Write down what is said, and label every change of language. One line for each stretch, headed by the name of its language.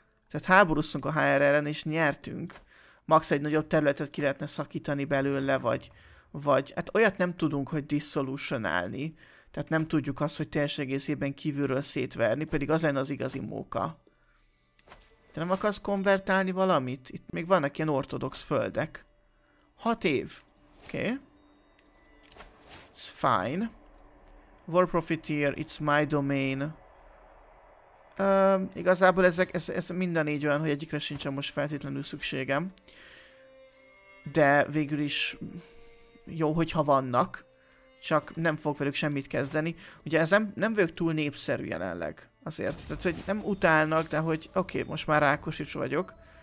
Hungarian: Tehát háborúztunk a HR ellen és nyertünk. Max egy nagyobb területet ki lehetne szakítani belőle, vagy... Hát olyat nem tudunk, hogy dissolutionálni. Tehát nem tudjuk azt, hogy teljes egészében kívülről szétverni, pedig az lenne az igazi móka. Te nem akarsz konvertálni valamit? Itt még vannak ilyen ortodox földek. 6 év. Oké.
English: It's fine. War Profiteer, it's my domain.
Hungarian: Igazából ezek, ez mind a négy olyan, hogy egyikre sincsen most feltétlenül szükségem. De végül is jó, hogyha vannak. Csak nem fog velük semmit kezdeni. Ugye ez nem vagyok túl népszerű jelenleg. Azért, tehát hogy nem utálnak, de hogy oké, most már rákos is vagyok.